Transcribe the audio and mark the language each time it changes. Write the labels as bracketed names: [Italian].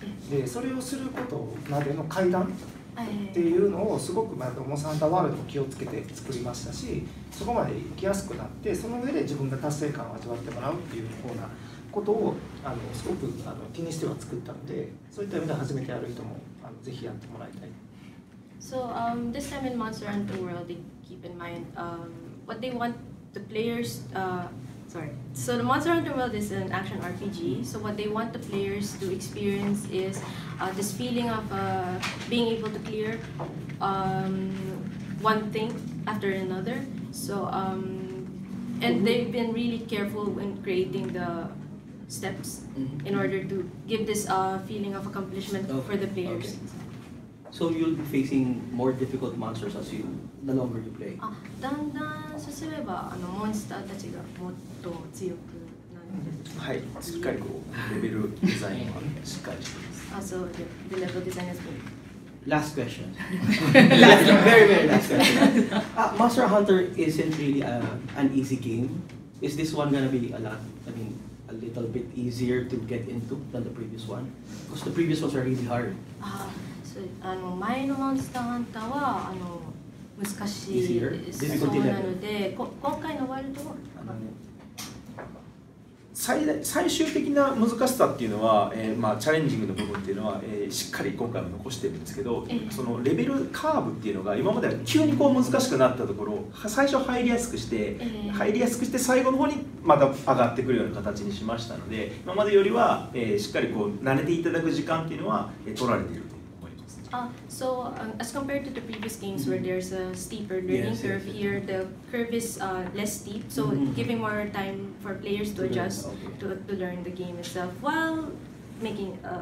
[Japanese] でそれをすることまでの階段っていうのをすごくまたモンスターハンターワールドも気をつけて作りましたし、そこまで行きやすくなって、その上で自分が達成感を味わってもらうっていうようなことをあのすごくあの気にしては作ったので、そういった意味で初めてやる人もあのぜひやってもらいたい。 [English] So, this time in Monster Hunter World, they keep in mind what they want the players So the Monster Hunter World is an action RPG. So what they want the players to experience is this feeling of being able to clear one thing after another. So and they've been really careful in creating the steps in order to give this feeling of accomplishment for the players. Okay. So you'll be facing more difficult monsters as you the longer you play. [Japanese] だんだん進めばあのモンスターたちがもっと強くなるんです。はい、しっかりこうレベルデザインはしっかりしています。あ、そう、で、レベルデザインですね。 [English] Last question. Last, very, very last question. Monster Hunter isn't really an easy game. Is this one gonna be a little bit easier to get into than the previous one? Because the previous ones are really hard. [Japanese] あの前のモンスターハンターはあの難しい、 [English] easier? [Japanese] そうなので、今回のワールドは。最終的な難しさっていうのは、チャレンジングの部分っていうのは、しっかり今回も残してるんですけど、そのレベルカーブっていうのが今までは急にこう難しくなったところを最初入りやすくして、入りやすくして最後の方にまた上がってくるような形にしましたので、今までよりは、しっかりこう慣れていただく時間っていうのは、取られていると思います。 [English] So, as compared to the previous games where there's a steeper learning curve, here the curve is less steep, so giving more time for players to adjust to learn the game itself while making